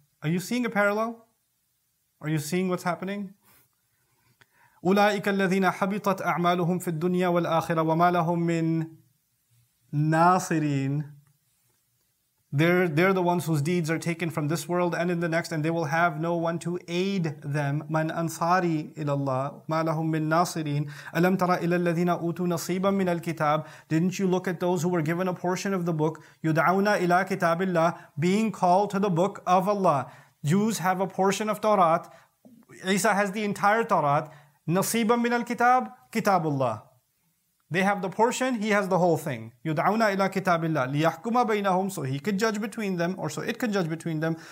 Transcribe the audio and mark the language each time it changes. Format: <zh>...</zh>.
<en>Are you seeing a parallel? Are you seeing what's happening?</en> <ar>أُولَٰئِكَ الَّذِينَ حَبِطَتْ أَعْمَالُهُمْ فِي الدُّنْيَا وَالْآخِرَةِ وَمَا لَهُمْ مِنْ نَاصِرِينَ</ar> <en>They're the ones whose deeds are taken from this world and in the next, and they will have no one to aid them.</en> <ar>مَنْ أَنْصَارِي إِلَى اللَّهِ مَا لَهُمْ مِنْ نَاصِرِينَ أَلَمْ تَرَ إِلَى الَّذِينَ أُوتُوا نَصِيبًا مِنَ الْكِتَابِ</ar> <en>Didn't you look at those who were given a portion of the book?</en> <ar>يُدْعَوْنَ إِلَى كِتَابِ اللَّهِ</ar> <en>Being called to the book of Allah. Jews have a portion of Torah. Isa has the entire Torah.</en> <ar>نَصِيبًا مِنَ الْكِتَابِ كِتَابُ اللَّهِ</ar> <en>They have the portion, he has the whole thing.</en> <ar>يُدْعَوْنَا إِلَىٰ كِتَابِ اللَّهِ لِيَحْكُمَ بَيْنَهُمْ</ar> <en>So he could judge between them, or so it could judge between them.</en>